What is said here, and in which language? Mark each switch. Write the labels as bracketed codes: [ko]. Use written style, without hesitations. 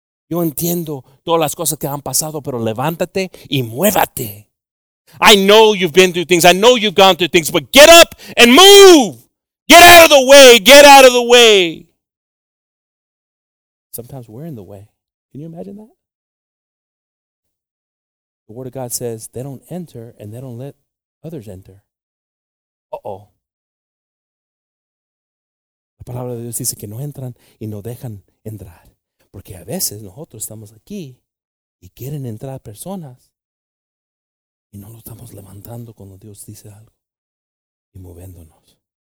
[es] Yo entiendo todas las cosas que han pasado, pero levántate y muévete. [en] I know you've been through things. I know you've gone through things, but get up and move. Get out of the way, get out of the way. Sometimes we're in the way. Can you imagine that? The Word of God says they don't enter and they don't let others enter. Uh-oh. [es] La palabra de Dios dice que no entran y no dejan entrar. Porque a veces nosotros estamos aquí y quieren entrar personas y no lo estamos levantando cuando Dios dice algo y moviéndonos.